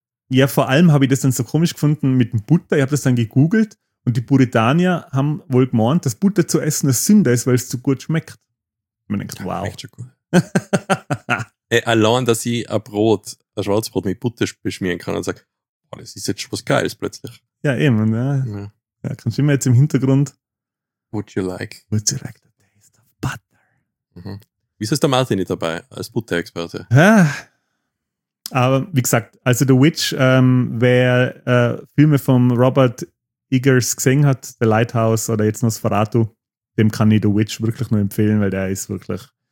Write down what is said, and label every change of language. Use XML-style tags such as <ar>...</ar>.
<de>Ja, vor allem habe ich das dann so komisch gefunden mit dem Butter. Ich habe das dann gegoogelt und die Puritanier haben wohl gemeint, dass Butter zu essen eine Sünde ist, weil es zu gut schmeckt. Man denkt, wow. Schmeckt schon gut. Allein, dass ich ein Brot, ein Schwarzbrot mit Butter beschmieren kann und sage, boah, das ist jetzt schon was Geiles plötzlich. Ja, eben. Ja. Ja. Ja, kannst du immer jetzt im Hintergrund.</de> <en>Would you like the taste of butter? Mhm.</en> <de>Wieso ist der Martin nicht dabei als Butterexperte? Ja. Aber wie gesagt, also The Witch, wer Filme von Robert Eggers gesehen hat, The Lighthouse oder jetzt Nosferatu, dem kann ich The Witch wirklich nur empfehlen, weil der ist wirklich.</de>